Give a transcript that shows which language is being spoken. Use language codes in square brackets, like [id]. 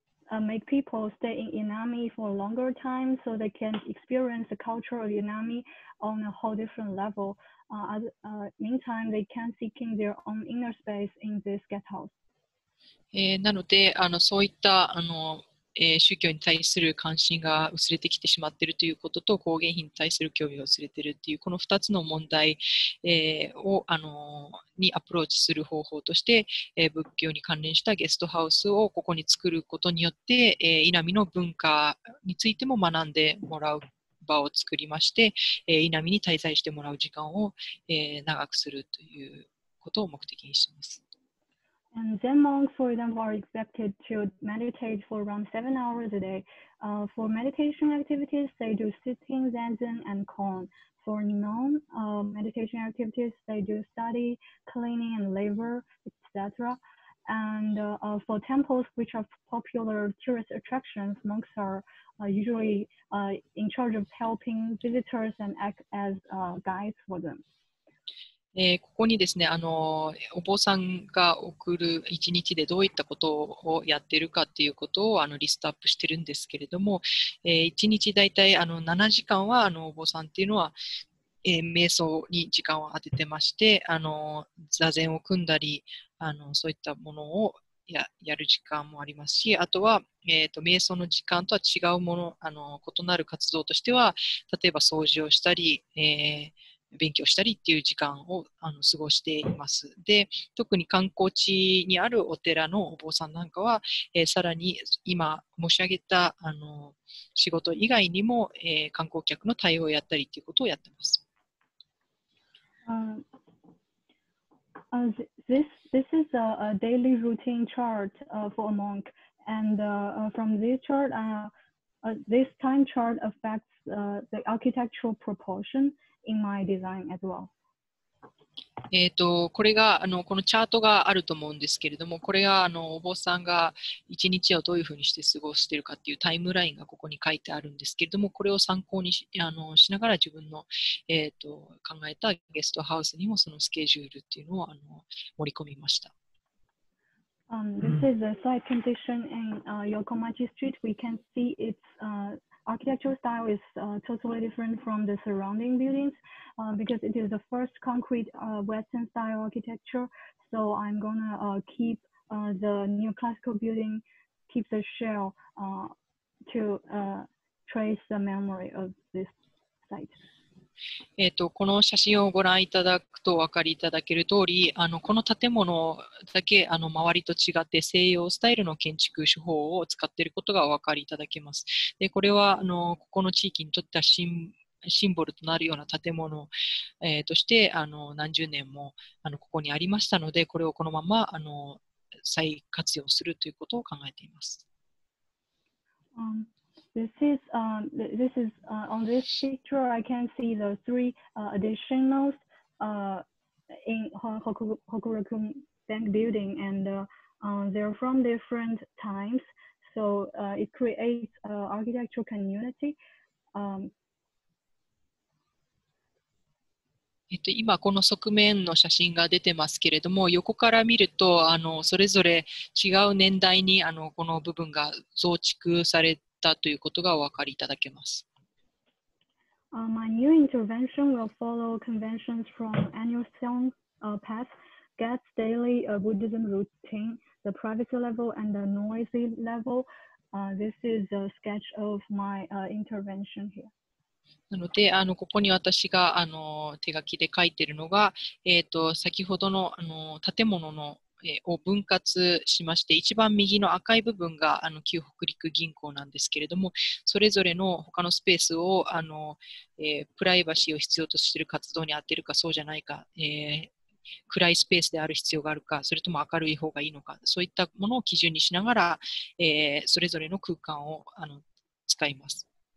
[en] Make people stay in Inami for a longer time so they can experience the culture of Inami on a whole different level. Meantime, they can seeking their own inner space in this guest house. [ja] なので、あの、そういった、あの、宗教に対する関心が薄れてきてしまっているということと工芸品に対する興味が薄れているというこの2つの問題、をあのにアプローチする方法として、仏教に関連したゲストハウスをここに作ることによって、稲見の文化についても学んでもらう場を作りまして、稲見に滞在してもらう時間を、長くするということを目的にします。 [en] And Zen monks, for example, are expected to meditate for around 7 hours a day. For meditation activities, they do sitting, zazen, and koan. For non-meditation activities, they do study, cleaning, and labor, etc. And for temples, which are popular tourist attractions, monks are usually in charge of helping visitors and act as guides for them. [ja] ここにですね、あのお坊さんが送る一日でどういったことをやっているかということをあのリストアップしているんですけれども、一日だいたい7時間はあのお坊さんというのは、瞑想に時間を当ててまして、あの座禅を組んだりあのそういったものを やる時間もありますし、あとは、瞑想の時間とは違うもの、あの異なる活動としては、例えば掃除をしたり、勉強したりっていう時間をあの過ごしています。で、特に観光地にあるお寺のお坊さんなんかは、さらに今申し上げたあの仕事以外にも、観光客の対応をやったりっていうことをやってます。 [en] This is a daily routine chart for a monk. And from this chart, this time chart affects the architectural proportion. In my design as well. [ja] これがあのこのチャートがあると思うんですけれども、これがあのお坊さんが一日をどういうふうにして過ごしているかっていうタイムラインがここに書いてあるんですけれども、これを参考にあのしながら自分の考えたゲストハウスにもそのスケジュールっていうのをあの盛り込みました。 [en] This is a site condition in Yokomachi Street. We can see it's architectural style is totally different from the surrounding buildings because it is the first concrete Western style architecture. So I'm gonna keep the neoclassical building, keep the shell to trace the memory of this site. [ja] この写真をご覧いただくとお分かりいただける通り、あのこの建物だけあの周りと違って西洋スタイルの建築手法を使っていることがお分かりいただけます。でこれはあのここの地域にとってはシンボルとなるような建物、としてあの何十年もあのここにありましたので、これをこのままあの再活用するということを考えています。 [en] This is on this picture. I can see the three additionals in Hokuriku Bank building, and they're from different times. So it creates an architectural community. [ja] 今この側面の写真が出てますけれども、横から見るとそれぞれ違う年代にこの部分が増築されたということがお分かりいただけます。 [en] My new intervention will follow conventions from annual Sion path, gets daily a Buddhism routine, the privacy level and the noisy level. This is a sketch of my intervention here. [ja] なのでここに私が手書きで書いているのが、先ほど の建物の、を分割しまして、一番右の赤い部分が旧北陸銀行なんですけれども、それぞれの他のスペースをプライバシーを必要としている活動に当てるか、そうじゃないか、暗いスペースである必要があるか、それとも明るい方がいいのか、そういったものを基準にしながら、それぞれの空間を使います。